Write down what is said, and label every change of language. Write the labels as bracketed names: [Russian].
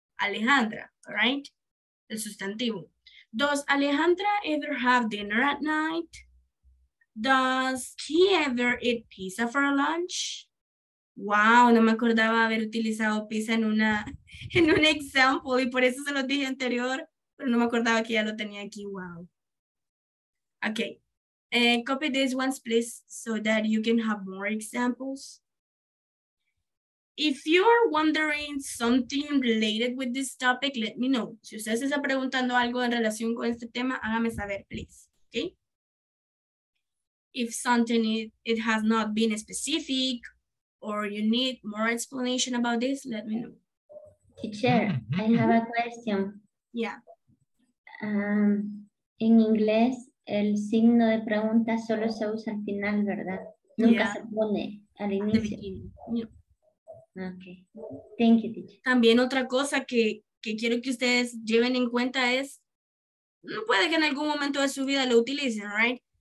[English] Alejandra, all right? [Spanish] El sustantivo. [English] Does Alejandra ever have dinner at night? Does he ever eat pizza for lunch? [Spanish] Wow, no me acordaba haber utilizado pizza en un example y por eso se lo dije anterior, pero no me acordaba que ya lo tenía aquí. [English] Wow. Okay, copy these ones, please, so that you can have more examples. If you're wondering something related with this topic, let me know. [Spanish] Si usted se está preguntando algo en relación con este tema, hágame saber, please. [English] Okay? If something it has not been specific or you need more explanation about this, let me know. Teacher, I have a question. Yeah. In English, [Spanish] el signo de pregunta solo se usa al final, ¿verdad? Nunca se pone al inicio. Okay. [English] Thank you, teacher. [Spanish] También otra cosa que quiero que ustedes lleven en cuenta es, no puede que en algún momento de su vida lo utilicen, right?